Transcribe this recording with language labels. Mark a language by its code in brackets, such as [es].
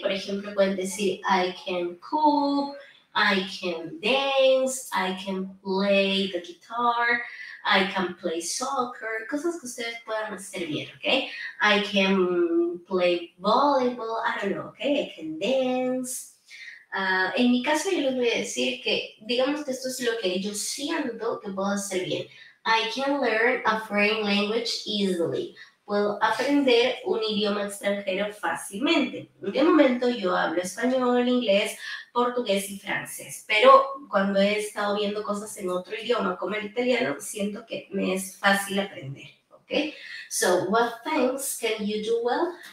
[es] Por ejemplo, pueden decir, [en] I can cook, I can dance, I can play the guitar, I can play soccer. [es] Cosas que ustedes puedan hacer bien, okay? [en] I can play volleyball, I don't know, okay? I can dance. [es] En mi caso, yo les voy a decir que, digamos que esto es lo que yo siento que puedo hacer bien. [en] I can learn a foreign language easily. [es] Puedo aprender un idioma extranjero fácilmente. De momento, yo hablo español, inglés, portugués y francés. Pero cuando he estado viendo cosas en otro idioma, como el italiano, siento que me es fácil aprender, ¿ok? [en] Okay, so what things can you do well?